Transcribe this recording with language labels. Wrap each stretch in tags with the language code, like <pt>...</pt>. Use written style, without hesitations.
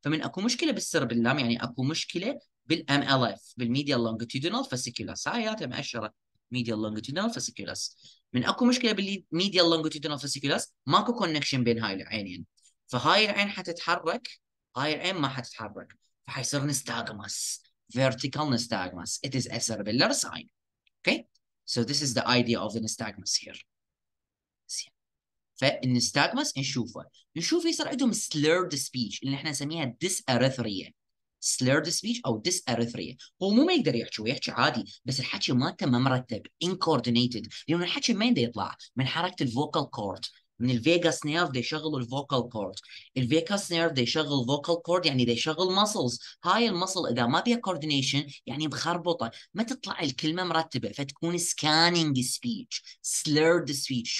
<ar>فمن أكو مشكلة بالسربلام يعني أكو مشكلة بال MLF بالميديال لونجيتودينال فاسيكولاس، هاي ياتي مأشرة ميديال لونجيتودينال فاسيكولاس. من أكو مشكلة بالميديال لونجيتودينال فاسيكولاس ماكو كونكشن بين هاي العينين، فهاي العين حتتحرك، هاي العين ما حتتحرك، فحيصير نستاغماس، vertical nystagmus.</ar> <en>It is a cerebellar sign. Okay. So this is the idea of the nystagmus here.</en> <ar>فالنستاغمس نشوفه، نشوف يصير عندهم slurred speech اللي احنا نسميها dysarthria.</ar> <en>Slurred speech أو dysarthria.</en> <ar>هو مو ما يقدر يحكي، ويحكي عادي، بس الحكي مالته ما مرتب، incoordinated. لأن الحكي ما يقدر يطلع من حركة الفوكال كورد. من الفيغاس نيرف دي شغلوا الفوكال كورد، الفيغاس نيرف دي شغل فوكال كورد يعني دي شغل مسلز، هاي المسل اذا ما بيها كوردينيشن يعني مخربطه، ما تطلع الكلمه مرتبه، فتكون سكانينج سبيتش، سلرد سبيتش.</ar>